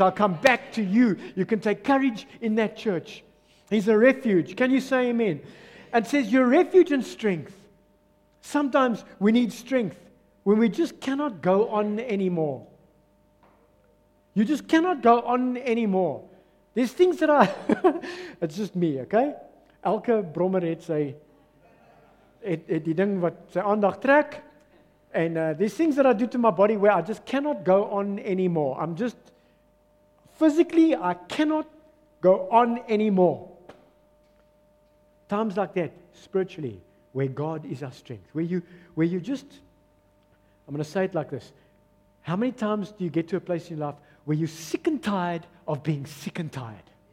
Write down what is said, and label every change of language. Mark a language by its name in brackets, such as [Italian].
[English] I'll come back to you. You can take courage in that church. He's a refuge. Can you say amen? And it says, your refuge and strength. Sometimes we need strength when we just cannot go on anymore. You just cannot go on anymore. There's things that are, it's just me, okay? [Afrikaans] Elke brommer het sy, het die ding wat sy aandag trek. [English] And there's things that I do to my body where I just cannot go on anymore. I'm just, physically, I cannot go on anymore. Times like that, spiritually, where God is our strength. Where you just, I'm going to say it like this. How many times do you get to a place in your life where you're sick and tired of being sick and tired?